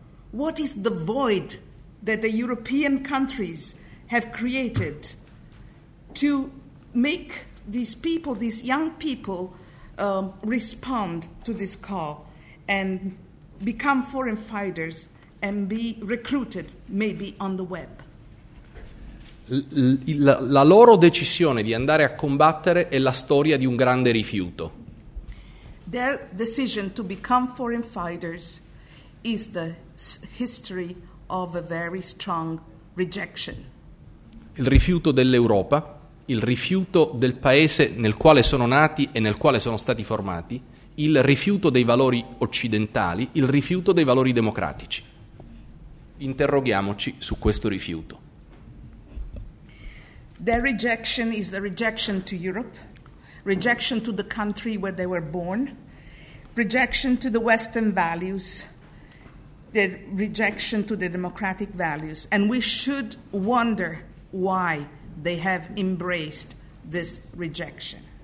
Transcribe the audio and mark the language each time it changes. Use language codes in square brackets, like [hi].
[en] What is the void that the European countries have created to make these people, these young people, respond to this call and become foreign fighters and be recruited maybe on the web? [it] La loro decisione di andare a combattere è la storia di un grande rifiuto. [en] Their decision to become foreign fighters is the history of a very strong rejection. [it] Il rifiuto dell'Europa, il rifiuto del paese nel quale sono nati e nel quale sono stati formati, il rifiuto dei valori occidentali, il rifiuto dei valori democratici. Interroghiamoci su questo rifiuto. [en] Their rejection is a rejection to Europe, rejection to the country where they were born, rejection to the Western values, the rejection to the democratic values. And we should wonder why they have embraced this rejection.